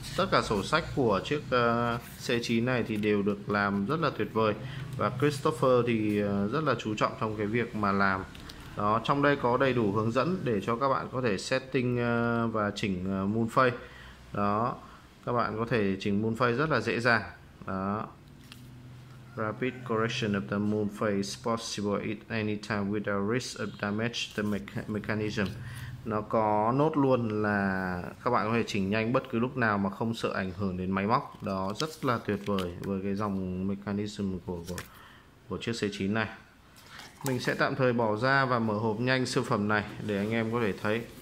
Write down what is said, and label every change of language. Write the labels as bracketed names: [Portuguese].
[Vietnamese] Tất cả sổ sách của chiếc C9 này thì đều được làm rất là tuyệt vời. Và Christopher thì rất là chú trọng trong cái việc mà làm. Đó, trong đây có đầy đủ hướng dẫn để cho các bạn có thể setting và chỉnh Moonface. Đó, các bạn có thể chỉnh Moonface rất là dễ dàng. [English] Đó, rapid correction of the moon phase possible at any time without risk of damage the mechanism. [Vietnamese] Nó có nốt luôn là các bạn có thể chỉnh nhanh bất cứ lúc nào mà không sợ ảnh hưởng đến máy móc. Đó, rất là tuyệt vời với cái dòng mechanism của chiếc C9 này. Mình sẽ tạm thời bỏ ra và mở hộp nhanh siêu phẩm này để anh em có thể thấy.